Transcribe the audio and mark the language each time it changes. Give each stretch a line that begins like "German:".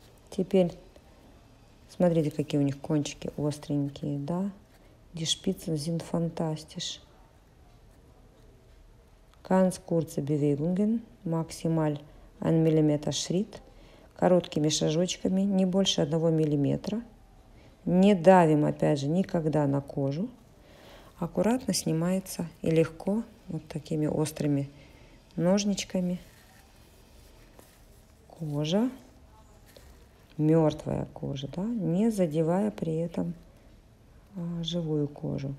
Russian: Теперь смотрите, какие у них кончики остренькие, да?
German: Die Spitzen sind fantastisch. Ganz kurze Bewegungen, maximal 1 mm Schritt.
Russian: Короткими шажочками, не больше 1 мм. Не давим, опять же, никогда на кожу. Аккуратно снимается и легко, вот такими острыми ножничками. Кожа, мертвая кожа, да, не задевая при этом живую кожу.